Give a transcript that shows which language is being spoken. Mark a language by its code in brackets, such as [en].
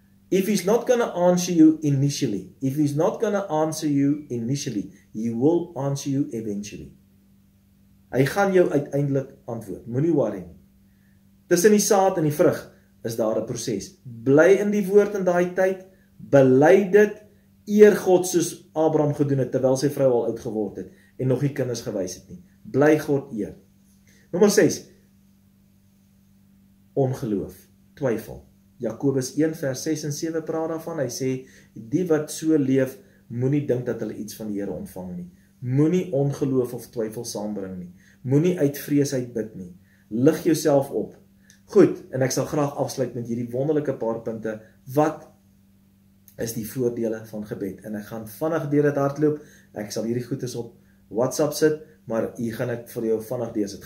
[en] If he's not gonna answer you initially, if he's not gonna answer you initially, he will answer you eventually. [af] Hy gaan jou uiteindelik antwoord. Moenie worry nie. Tussen die saad en die vrug is daar een proces. Bly in die woord in die tyd, bely dit, eer God soos Abraham gedoen het, terwyl sy vrou al oud geword het, en nog nie kinders gewys het nie. Bly God eer. Nommer 6, ongeloof, twyfel. Jakobus 1 vers 6 en 7 praat daarvan, hy sê, die wat so leef, moenie dink dat hulle iets van die Here ontvang nie. Moenie ongeloof of twyfel saambring nie. Moenie uit vrees uit bid nie. Lig jouself op. Goed, en ek sal graag afsluit met hierdie wonderlike paar punte. Wat is die voordele van gebed? En ek gaan vannig deur dit hardloop. Ek sal hierdie goedes op WhatsApp sit, maar hier gaan ek vir jou vannig deur sit.